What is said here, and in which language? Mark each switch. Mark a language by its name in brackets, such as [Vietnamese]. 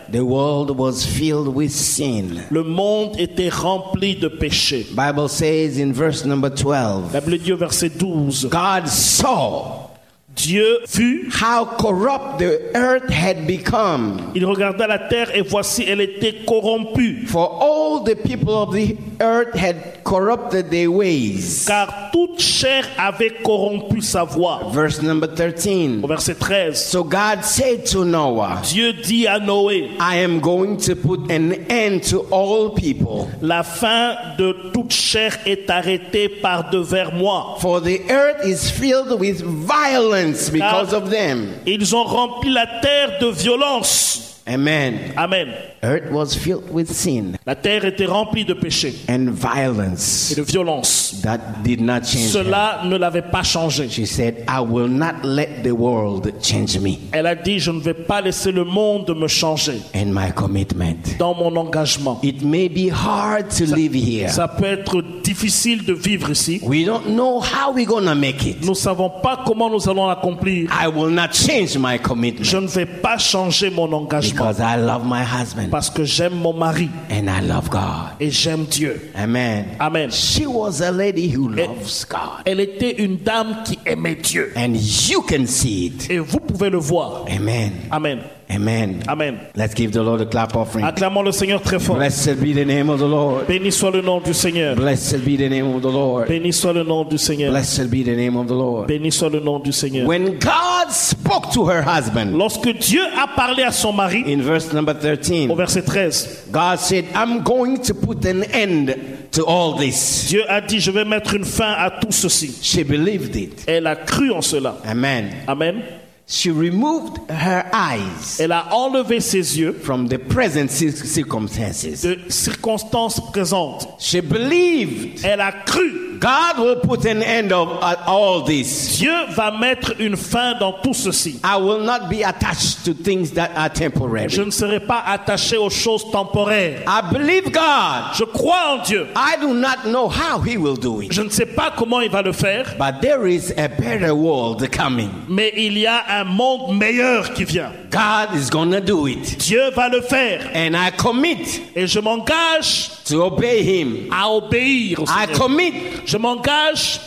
[English] The world was filled with sin. [French] Le monde était rempli de péché. [English] Bible says in verse number 12. [French] La Bible dit au verset 12. [English] God saw. [French] Dieu vit. [English] How corrupt the earth had become. [French] Il regarda la terre et voici elle était corrompue. [English] For all the people of the earth had corrupted their ways. [French] Car toute chair avait corrompu sa voie. [English] Verse number 13. [French] Au verset 13. [English] So God said to Noah. [French] Dieu dit à Noé. [English] I am going to put an end to all people. [French] La fin de toute chair est arrêtée par devers moi. [English] For the earth is filled with violence because of them. [French] Ils ont rempli la terre de violence. [English] Amen. [French] Amen. [English] Earth was filled with sin. [French] La terre était remplie de péché. [English] And violence. [French] Et de violence. [English] That did not change. [French] Cela [English] her. [French] Ne l'avait pas changé. [English] She said, "I will not let the world change me." [French] Elle a dit, je ne vais pas laisser le monde me changer. [English] And my commitment. [French] Dans mon engagement. [English] It may be hard to live here. [French] Ça peut être difficile de vivre ici. [English] We don't know how we're gonna make it. [French] Nous savons pas comment nous allons l'accomplir. [English] I will not change my commitment. [French] Je ne vais pas changer mon engagement. [English] Because I love my husband. [French] Parce que j'aime mon mari. [English] And I love God. [French] Et j'aime Dieu. [English] Amen. [French] Amen. [English] She was a lady who loves God. [French] Elle était une dame qui aimait Dieu. [English] And you can see it. [French] Et vous pouvez le voir. [English] Amen. [French] Amen. [English] Amen. [French] Amen. [English] Let's give the Lord a clap offering. [French] Acclamons le Seigneur très fort. [English] Blessed be the name of the Lord. [French] Béni soit le nom du Seigneur. [English] Blessed be the name of the Lord. [French] Béni soit le nom du Seigneur. [English] Blessed be the name of the Lord. [French] Béni soit le nom du Seigneur. [English] When God spoke to her husband. [French] Lorsque Dieu a parlé à son mari. [English] In verse number 13. [French] Au verset 13. [English] God said, "I'm going to put an end to all this." [French] Dieu a dit, je vais mettre une fin à tout ceci. [English] She believed it. [French] Elle a cru en cela. [English] Amen. [French] Amen. [English] She removed her eyes. [French] Elle a enlevé ses yeux [English] from the present circumstances. [French] De circonstances présentes. [English] She believed. [French] Elle a cru. [English] God will put an end of all this. [French] Dieu va mettre une fin dans tout ceci. [English] I will not be attached to things that are temporary. [French] Je ne serai pas attaché aux choses temporaires. [English] I believe God. [French] Je crois en Dieu. [English] I do not know how he will do it. [French] Je ne sais pas comment il va le faire. [English] But there is a better world coming. [French] Mais il y a un monde meilleur qui vient. [English] God is going to do it. [French] Dieu va le faire. [English] And I commit. [French] Et je m'engage [English] to obey him. [French] À obéir au [English] Seigneur. I commit. [French] Je m'engage